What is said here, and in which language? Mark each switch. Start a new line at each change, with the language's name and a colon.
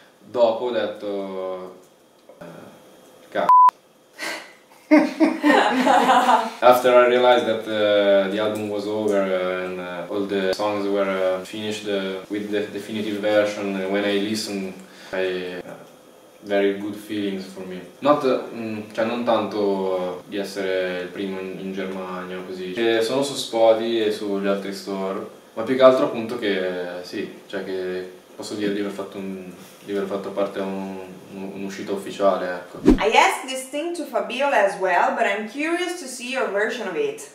Italian: Dopo ho detto
English: After I realized that the album was over and all the songs were finished with the definitive version, when I listened, I very good feelings for me.
Italian: Not, cioè non tanto di essere il primo in Germania o così. Che sono su Spotify e sugli altri store, ma più che altro appunto che sì, cioè che posso dire di aver fatto parte a un'uscita ufficiale, ecco.
English: I asked this thing to Fabiola as well, but I'm curious to see your version of it.